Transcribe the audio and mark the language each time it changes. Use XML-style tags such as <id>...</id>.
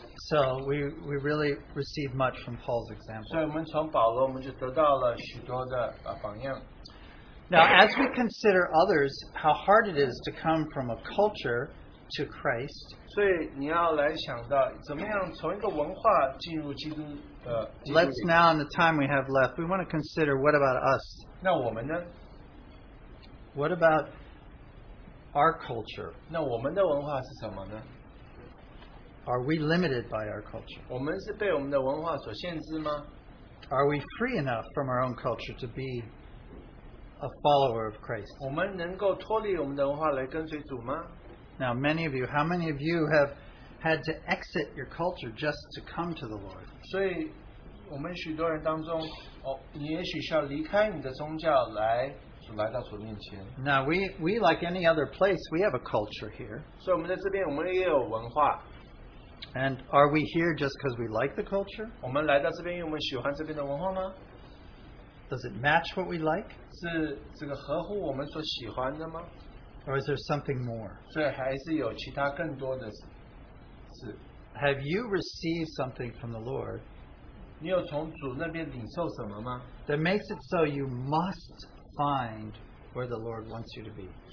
<en>So we really receive much from Paul's example.</en> <zh>所以我们从保罗我们就得到了许多的榜样。</zh> <en>Now as we consider others, how hard it is to come from a culture to Christ.</en> <zh>所以你要来想到怎么样从一个文化进入基督。</zh> <en>Let's now, in the time we have left, we want to consider what about us?</en> <zh>那我们呢?</zh> <en>What about our culture?</en> <zh>那我们的文化是什么呢?</zh> <en>Are we limited by our culture?</en> <zh>我们是被我们的文化所限制吗?</zh> <en>Are we free enough from our own culture to be a follower of Christ?</en> <zh>我们能够脱离我们的文化来跟随主吗?</zh> <en>Now, many of you, how many of you have had to exit your culture just to come to the Lord?</en> <zh>所以我们许多人当中，你也许需要离开你的宗教来主来到主面前。</zh> <en>Now we like any other place, we have a culture here.</en> <zh>所以我们在这边，我们也有文化。</zh> <en>And are we here just because we like the culture?</en> <zh>我们来到这边，因为我们喜欢这边的文化吗？</zh> <en>Does it match what we like?</en> <zh>是这个合乎我们所喜欢的吗？</zh> <en>Or is there something more?</en> <zh>所以还是有其他更多的事。</zh> <en>Have you received something from the Lord that makes it so you must find where the Lord wants you to be?</en>